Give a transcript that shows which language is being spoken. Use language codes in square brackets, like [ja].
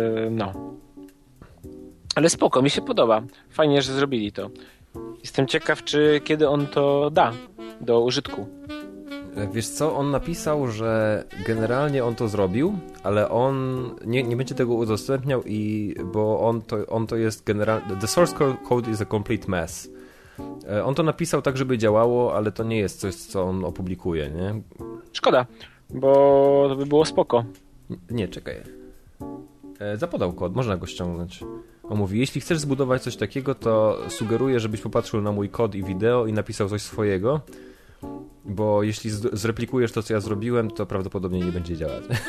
[pl] No. Ale spoko, mi się podoba. Fajnie, że zrobili to. Jestem ciekaw, czy kiedy on to da do użytku. Wiesz co, on napisał, że generalnie on to zrobił, ale on nie będzie tego udostępniał, bo on to jest generalnie... [en] The source code is a complete mess. [pl] On to napisał tak, żeby działało, ale to nie jest coś, co on opublikuje, nie? Szkoda, bo to by było spoko. Nie, czekaj. Zapodał kod, można go ściągnąć. On mówi, jeśli chcesz zbudować coś takiego, to sugeruję, żebyś popatrzył na mój kod i wideo i napisał coś swojego, bo jeśli zreplikujesz to, co ja zrobiłem, to prawdopodobnie nie będzie działać.